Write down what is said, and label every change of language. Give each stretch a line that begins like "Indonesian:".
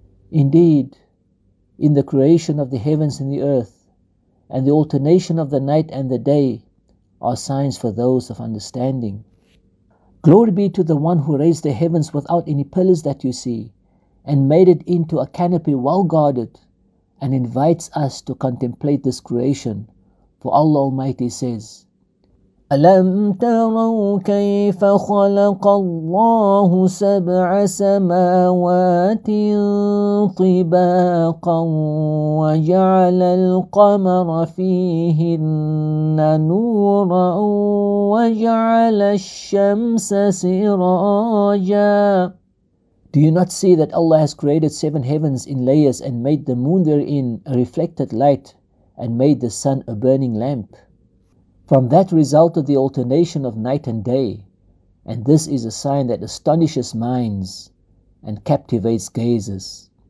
English: Indeed, in the creation of the heavens and the earth, and the alternation of the night and the day, are signs for those of understanding. Glory be to the one who raised the heavens without any pillars that you see, and made it into a canopy well guarded, and invites us to contemplate this creation. For Allah Almighty says,
Arabic: ألم تروا كيف خلق الله سبع سماوات طباقا وجعل القمر فيهن نورا وجعل الشمس سراجا.
English: Do you not see that Allah has created seven heavens in layers and made the moon therein a reflected light and made the sun a burning lamp? From that resulted the alternation of night and day, and this is a sign that astonishes minds and captivates gazes.